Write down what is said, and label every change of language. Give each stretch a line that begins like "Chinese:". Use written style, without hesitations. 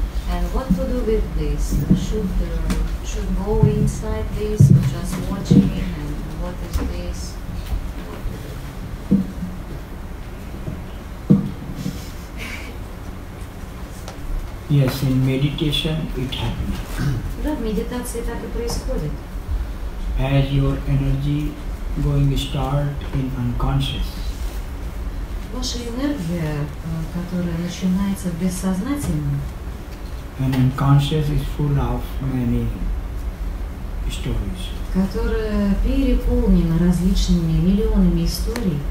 English: And what to do with this? Should go inside this or just watching it? And what is this? Yes, in meditation it happens.
Russian: Да, в медитации так и происходит.
English: As your energy going start in unconscious.
Russian: Ваша энергия, которая начинается в бессознательном.
English: And unconscious is full of many stories.
Russian: Которая переполнена различными миллионами историй.